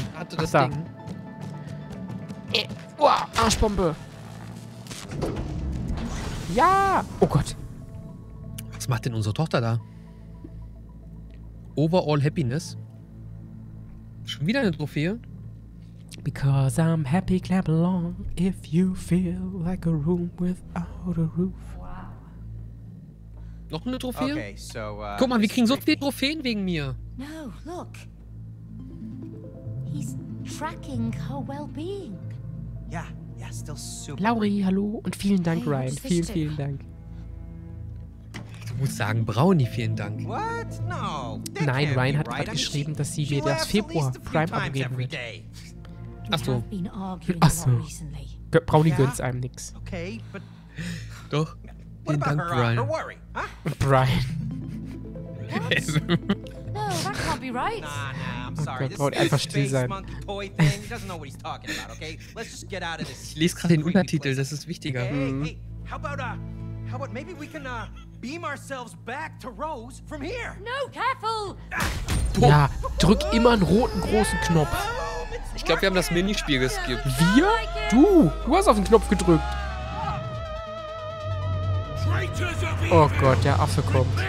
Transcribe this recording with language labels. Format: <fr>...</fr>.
<de>Starte das Ding. Boah, Arschbombe. Ja! Oh Gott. Was macht denn unsere Tochter da?</de> <en>Overall Happiness.</en> <de>Schon wieder eine Trophäe.</de> <en>Because I'm happy, clap along, if you feel like a room without a roof.</en> <de>Noch eine Trophäe? Okay, so, guck mal, wir kriegen so viele Trophäen wegen mir.</de> <en>No, look. He's tracking her well-being. Yeah, yeah, still super.</en> <de>Lauri, hallo und vielen Dank, hey, Ryan. Vielen Dank. Du musst sagen, Brownie, vielen Dank.</de> <en>What?</en> <de>No, nein, Ryan hat gerade geschrieben, dass sie mir das Februar Prime abgeben wird. Achso. Achso. Brownie gönnt einem nix. Okay,</de> <en>but...</en> <de>Doch. Vielen Dank, Brian.</de> <en>Brian. No, that can't be right. Nah, I'm sorry.</en> <de>Okay, einfach still sein. Ich lese gerade den Untertitel, das ist wichtiger.</de> <en>Hey, hey, how about maybe we can beam ourselves back to Rose from here? No, careful.</en> <de>Ja, drück immer einen roten großen Knopf. Ich glaube, wir haben das Minispiel geskippt. Wir? Du hast auf den Knopf gedrückt. Oh Gott, der Affe kommt.</de>